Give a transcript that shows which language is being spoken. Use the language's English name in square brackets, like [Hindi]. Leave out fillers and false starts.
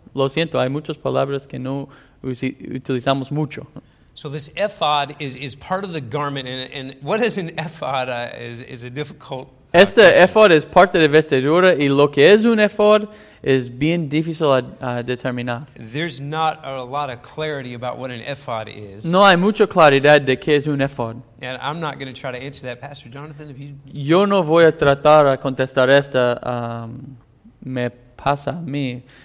[Spanish] Lo siento, hay muchas palabras que no utilizamos mucho. [English] So this ephod is part of the garment, and what is an ephod is a difficult question. [Spanish] Este ephod es parte de vestidura, y lo que es un ephod es bien difícil a determinar. [English] There's not a lot of clarity about what an ephod is. [Spanish] No hay mucha claridad de qué es un ephod. [English] And I'm not going to try to answer that, Pastor Jonathan. If you, [Spanish] yo no voy a tratar a contestar esta, me pasa a mí.